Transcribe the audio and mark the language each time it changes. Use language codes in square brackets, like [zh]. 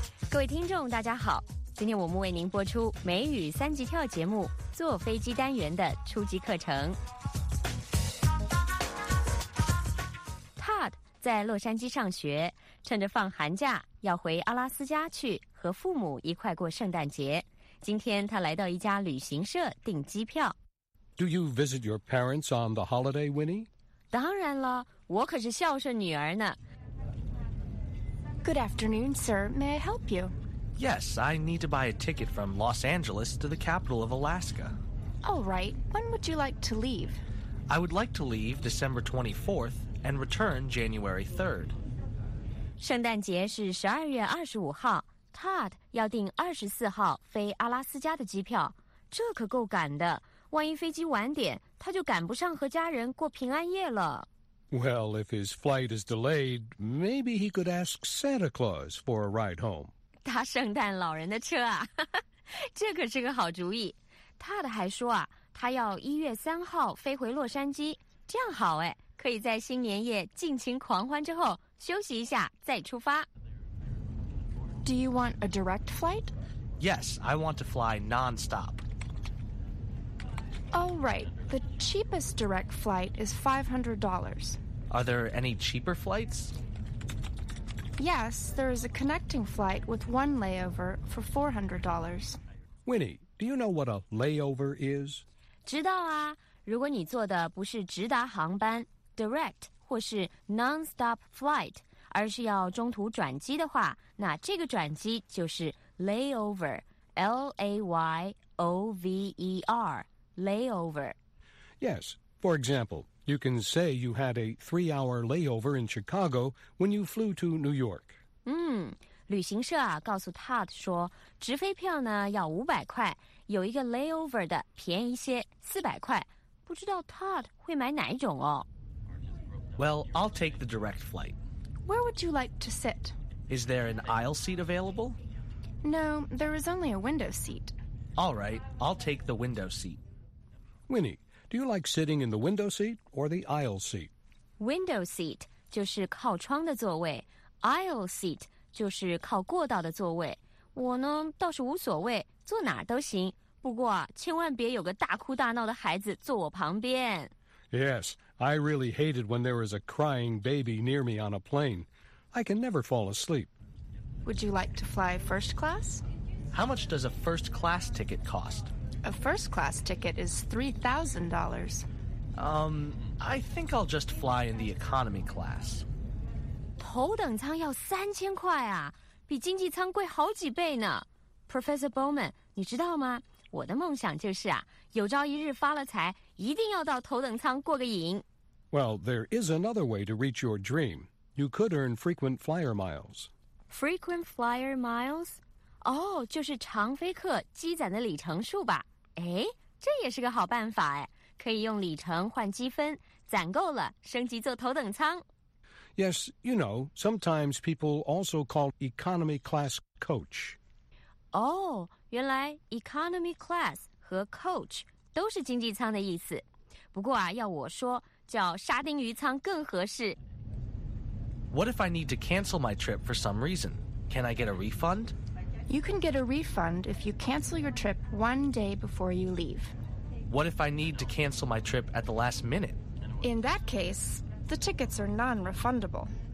[zh] 各位听众大家好，今天我们为您播出美语三级跳节目坐飞机单元的初级课程。 Todd 在洛杉矶上学，趁着放寒假要回阿拉斯加去和父母一块过圣诞节。今天他来到一家旅行社订机票。 [en] Do you visit your parents on the holiday, Winnie? [zh] 当然了，我可是孝顺女儿呢。 [en] Good afternoon, sir. May I help you? Yes, I need to buy a ticket from Los Angeles to the capital of Alaska. All right. When would you like to leave? I would like to leave December 24th and return January 3rd. [zh] 圣诞节是12月25号。 Todd 要订24号飞阿拉斯加的机票，这可够赶的。万一飞机晚点，他就赶不上和家人过平安夜了。 [en] Well, if his flight is delayed, maybe he could ask Santa Claus for a ride home. [zh] 搭圣诞老人的车啊，这可是个好主意。 Todd 还说啊，他要1月3号飞回洛杉矶，这样好哎，可以在新年夜尽情狂欢之后休息一下再出发。 [en] Do you want a direct flight? Yes, I want to fly nonstop. Oh, right. The cheapest direct flight is $500. Are there any cheaper flights? Yes, there is a connecting flight with one layover for $400. Winnie, do you know what a layover is? [zh] 知道啊，如果你坐的不是直达航班 ,direct 或是 nonstop flight,而是要中途转机的话，那这个转机就是 layover, L-A-Y-O-V-E-R, layover. [en] Yes, for example, you can say you had a 3-hour layover in Chicago when you flew to New York. [zh] 旅行社啊，告诉 Todd 说，直飞票呢要500块，有一个 layover 的便宜些，400块。不知道 Todd 会买哪一种哦。 [en] Well, I'll take the direct flight. Where would you like to sit? Is there an aisle seat available? No, there is only a window seat. All right, I'll take the window seat. Winnie, do you like sitting in the window seat or the aisle seat? [zh] Window seat 就是靠窗的座位 ,aisle seat 就是靠过道的座位。我呢倒是无所谓，坐哪儿都行，不过啊，千万别有个大哭大闹的孩子坐我旁边。 [en] Yes, I really hated when there was a crying baby near me on a plane. I can never fall asleep. Would you like to fly first class? How much does a first class ticket cost? A first class ticket is $3,000. I think I'll just fly in the economy class. [zh] 头等舱要3000块啊，比经济舱贵好几倍呢。 Professor Bowman, 你知道吗？我的梦想就是啊，有朝一日发了财，一定要到头等舱过个瘾。 [en] Well, there is another way to reach your dream. You could earn frequent flyer miles. Frequent flyer miles? [zh] 哦，就是常飞客积攒的里程数吧。哎，这也是个好办法哎，可以用里程换积分，攒够了升级坐头等舱。 [en] Yes, you know, sometimes people also call economy class coach. [zh] Oh, 原来 economy class 和 coach 都是经济舱的意思。不过啊，要我说，叫沙丁鱼舱更合适。 [en] What if I need to cancel my trip for some reason? Can I get a refund? You can get a refund if you cancel your trip one day before you leave. What if I need to cancel my trip at the last minute? In that case... The tickets are non-refundable.